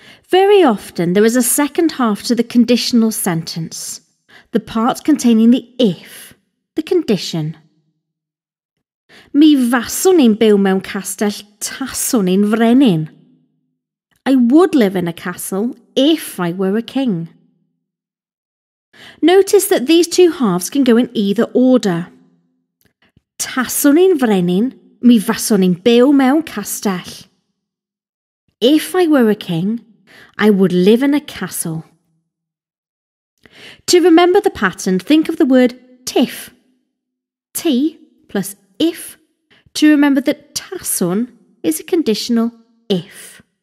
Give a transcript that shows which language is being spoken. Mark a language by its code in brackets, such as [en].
[en] Very often there is a second half to the conditional sentence, the part containing the if, the condition. [cy] Mi faswn i'n byw mewn castell taswn i'n frenin. [en] I would live in a castle if I were a king. Notice that these two halves can go in either order. [cy] Taswn i'n frenin, mi faswn i'n byw mewn castell. [en] If I were a king, I would live in a castle. To remember the pattern, think of the word tiff. T plus if. To remember that taswn is a conditional if.